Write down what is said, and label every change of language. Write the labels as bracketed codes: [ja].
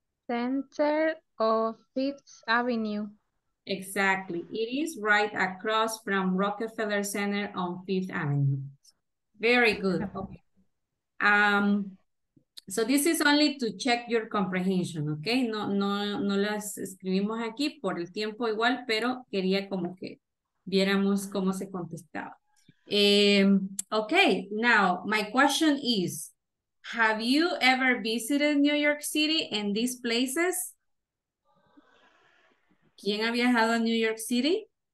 [en] Center of Fifth Avenue. Exactly. It is right across from Rockefeller Center on Fifth Avenue. Very good. Okay. So this is only to check your comprehension, okay? [es] No las escribimos aquí por el tiempo igual, pero quería como que viéramos cómo se contestaba. [en] Okay, now my question is, have you ever visited New York City and these places? [es] ¿Quién ha viajado a New York City?